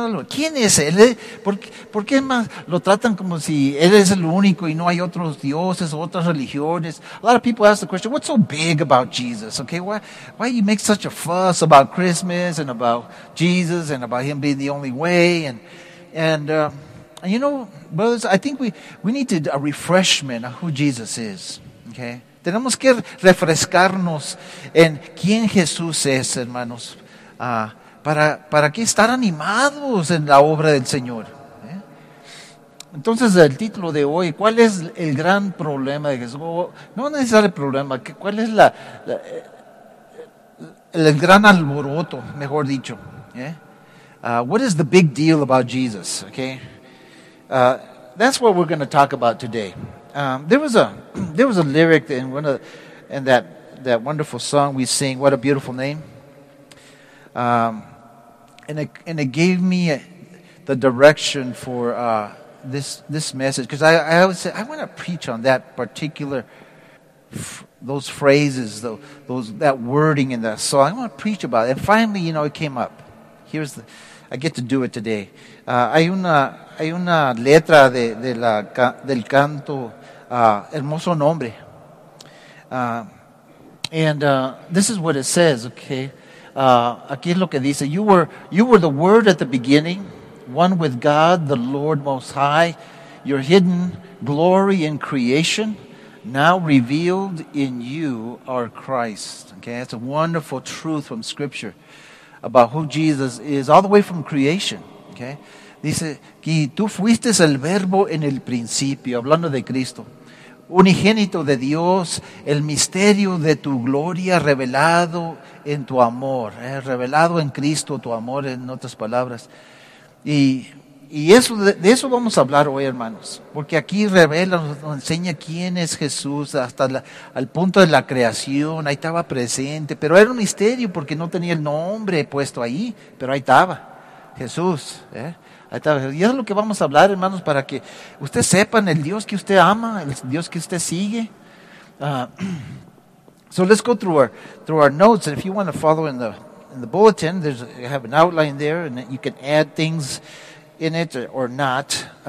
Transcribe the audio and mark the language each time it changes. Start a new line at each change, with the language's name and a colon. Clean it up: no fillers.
Spanish: ¿Quién es Él? ¿Por qué más lo tratan como si Él es el único y no hay otros dioses, otras religiones?
English: A lot of people ask the question, what's so big about Jesus? Okay, why do you make such a fuss about Christmas and about Jesus and about Him being the only way? And you know, brothers, I think we need to a refreshment of who Jesus is.
Spanish: Okay, tenemos que refrescarnos en quién Jesús es, hermanos. ¿Para qué estar animados en la obra del Señor? Entonces, el título de hoy, ¿cuál es el gran problema de Jesús? No necesariamente el problema, ¿cuál es el gran alboroto, mejor dicho?
English: What is the big deal about Jesus? Okay? That's what we're going to talk about today. There was a lyric in that wonderful song we sing, What a Beautiful Name. And it gave me the direction for this message, because I always say I want to preach on that particular those phrases, that wording in that song. I want to preach about it. And finally, you know, it came up. I get to do it today.
Spanish: Hay una letra del canto Hermoso Nombre,
English: this is what it says.
Spanish: Okay. Aquí es lo que dice,
English: you were the Word at the beginning, one with God, the Lord Most High, your hidden glory in creation, now revealed in you are Christ. Okay, that's a wonderful truth from Scripture about who Jesus is, all the way from creation.
Spanish: Okay, dice, que tú fuiste el Verbo en el principio, hablando de Cristo. Unigénito de Dios, el misterio de tu gloria revelado en tu amor, revelado en Cristo tu amor, en otras palabras. Y eso, de eso vamos a hablar hoy, hermanos, porque aquí revela, nos enseña quién es Jesús hasta al punto de la creación, ahí estaba presente, pero era un misterio porque no tenía el nombre puesto ahí, pero ahí estaba Jesús, Y es lo que vamos a hablar, hermanos, para que ustedes sepan el Dios que usted ama, el Dios que usted sigue.
English: So let's go through our notes. And if you want to follow in the bulletin, you have an outline there, and you can add things in it or not.